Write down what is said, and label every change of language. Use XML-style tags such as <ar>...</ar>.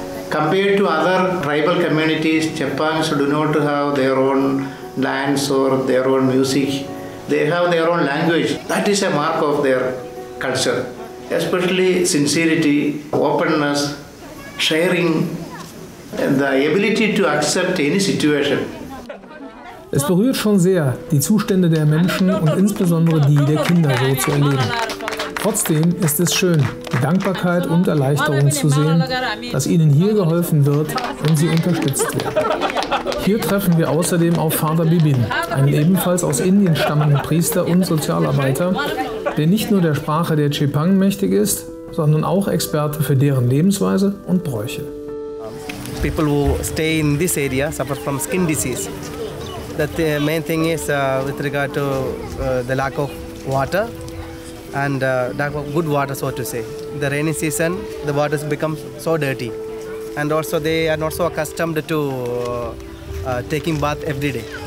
<en>Compared to other tribal communities, Chepangs do not have their own lands or their own music. They have their own language. That is a mark of their culture. Especially sincerity, openness, sharing and the ability to accept any situation.</en> <de>Es berührt schon sehr, die Zustände der Menschen und insbesondere die der Kinder so zu erleben. Trotzdem ist es schön, die Dankbarkeit und Erleichterung zu sehen, dass ihnen hier geholfen wird und sie unterstützt werden. Hier treffen wir außerdem auf Father Bibin, einen ebenfalls aus Indien stammenden Priester und Sozialarbeiter, der nicht nur der Sprache der Chepang mächtig ist, sondern auch Experte für deren Lebensweise und Bräuche.</de> <en>People who stay in this area suffer from skin disease. The main thing is with regard to the lack of water and good water, so to say. The rainy season, the water has become so dirty. And also they are not so accustomed to taking bath every day.</en>